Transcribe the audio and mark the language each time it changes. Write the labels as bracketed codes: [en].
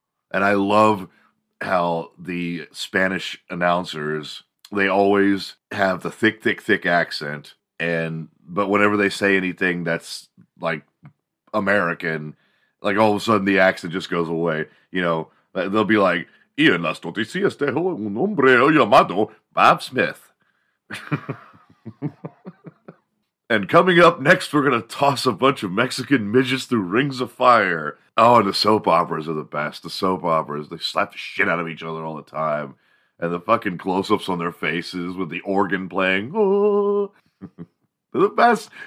[en] And I love how the Spanish announcers, they always have the thick, thick, thick accent. But whenever they say anything that's like American, like all of a sudden the accent just goes away. You know, they'll be like, [es] y en las noticias dejo un hombre llamado Bob Smith. [en] And coming up next, we're going to toss a bunch of Mexican midgets through rings of fire. Oh, and the soap operas are the best. The soap operas, they slap the shit out of each other all the time. And the fucking close-ups on their faces with the organ playing. Oh. They're the best.